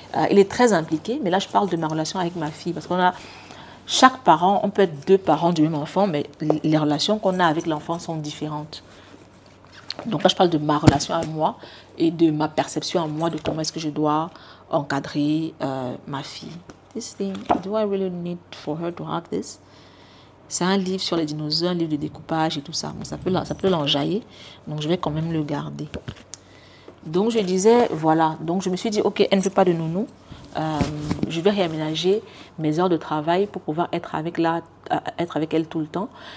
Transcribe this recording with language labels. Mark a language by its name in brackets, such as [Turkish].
[French] Il est très impliqué, mais là, je parle de ma relation avec ma fille, parce qu'on a chaque parent, on peut être deux parents du même enfant, mais les relations qu'on a avec l'enfant sont différentes. Donc là, je parle de ma relation à moi et de ma perception à moi de comment est-ce que je dois encadrer ma fille. [English] This thing, do I really need for her to have this? [French] C'est un livre sur les dinosaures, un livre de découpage et tout ça. Mais ça peut l'enjailler, donc je vais quand même le garder. Donc je disais, voilà, donc je me suis dit, ok, elle ne veut pas de nounou, je vais réaménager mes heures de travail pour pouvoir être avec elle tout le temps.